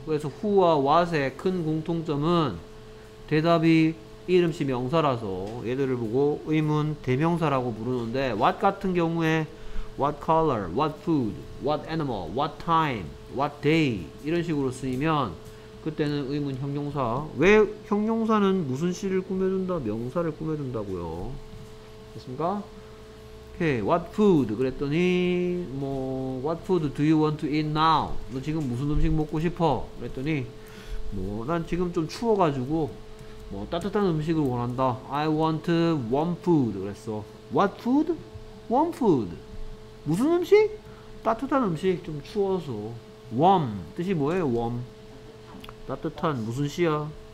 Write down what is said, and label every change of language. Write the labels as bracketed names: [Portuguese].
[Korean] 그래서 who와 what의 큰 공통점은 대답이 이름씨 명사라서 얘들을 보고 의문 대명사라고 부르는데 what 같은 경우에 [English] What color, what food, what animal, what time, what day [Korean] 이런 식으로 쓰이면 그때는 의문 형용사. 왜 형용사는 무슨 시를 꾸며준다? 명사를 꾸며준다고요. 됐습니까? [English] Okay, what food [Korean] 그랬더니 뭐 [English] What food do you want to eat now? [Korean] 너 지금 무슨 음식 먹고 싶어? 그랬더니 뭐 난 지금 좀 추워가지고 뭐 따뜻한 음식을 원한다. [English] I want warm food [Korean] 그랬어. [English] What food? Warm food. [Korean] 무슨 음식? 따뜻한 음식. 좀 추워서. warm 뜻이 뭐예요? warm 따뜻한 무슨 씨야?